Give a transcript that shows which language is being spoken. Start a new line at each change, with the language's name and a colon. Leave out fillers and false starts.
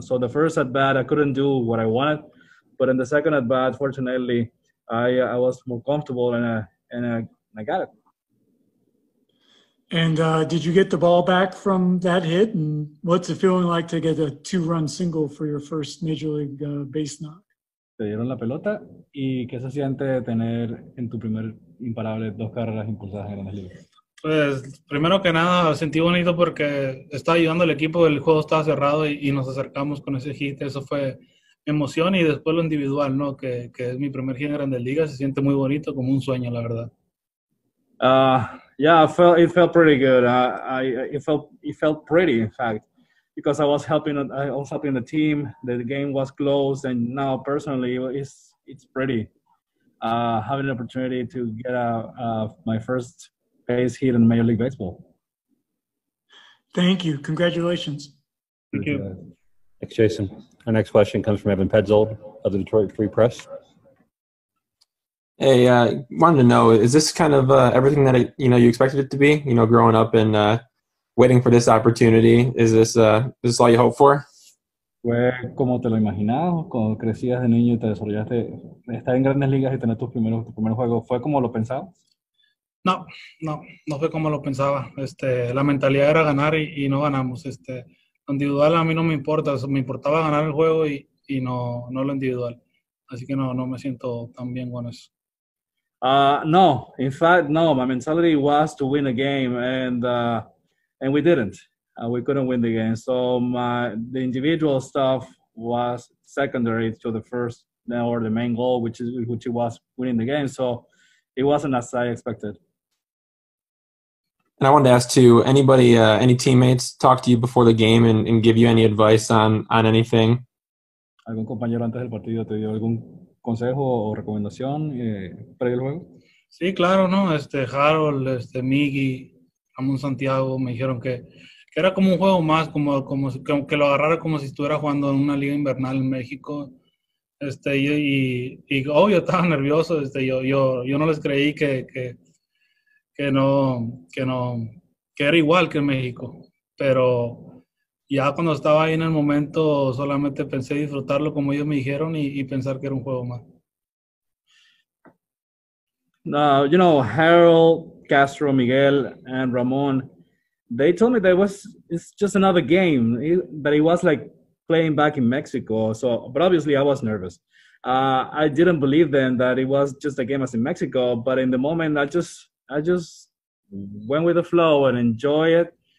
English: So the first at bat, I couldn't do what I wanted, but in the second at bat, fortunately, I was more comfortable and I got it. And did you get the ball back from that hit? And what's it feeling like to get a two-run single for your first Major League base knock?
Spanish: Te dieron la pelota. ¿Y qué se siente tener en tu primer imparable dos carreras impulsadas en la liga? Pues primero que nada sentí bonito porque estaba ayudando al equipo, el juego estaba cerrado y nos acercamos con ese hit, eso fue emoción y después lo individual, ¿no? Que es mi primer hit en Grandes Ligas, se siente muy bonito, como un sueño, la verdad.
English: Yeah, it felt pretty good. It felt pretty, in fact, because I was helping the team. The game was close, and now personally, it's pretty. Having an opportunity to get my first base hit in Major League Baseball. Thank you. Congratulations. Thank you. Thanks, Jason. Our next question comes from Evan Petzold of the Detroit Free Press. Hey, wanted to know, is this kind of everything that you expected it to be? You know, growing up and waiting for this opportunity, is this all you hope for?
Spanish: Pues, como te lo imaginabas, cuando crecías de niño y te desarrollaste, estar en Grandes Ligas y tener tus primeros juegos, ¿fue como lo pensabas? No fue como lo pensaba. La mentalidad era ganar y no ganamos. Lo individual a mí no me importa. O sea, me importaba ganar el juego y no lo individual. Así que no me siento tan bien con eso.
English: No, in fact, no. My mentality was to win a game and we didn't. We couldn't win the game. So the individual stuff was secondary to the first or the main goal, which was winning the game. So it wasn't as I expected. And I wanted to ask too, anybody, any teammates talk to you before the game and give you any advice on anything?
Spanish: ¿Algún compañero antes del partido te dio algún consejo o recomendación previo al juego? Sí, claro, ¿no? Harold, Miggy, Ramón Santiago me dijeron que era como un juego más, como que lo agarrara como si estuviera jugando en una liga invernal en México. Yo estaba nervioso, yo no les creí que era igual que en México, pero ya cuando estaba ahí en el momento, solamente pensé disfrutarlo como ellos me dijeron y pensar que era un juego más.
English: Harold, Castro, Miguel, and Ramón, they told me that it's just another game, but it was like playing back in Mexico. So, but obviously I was nervous. I didn't believe them that it was just a game as in Mexico, but in the moment I just went with the flow and enjoy it.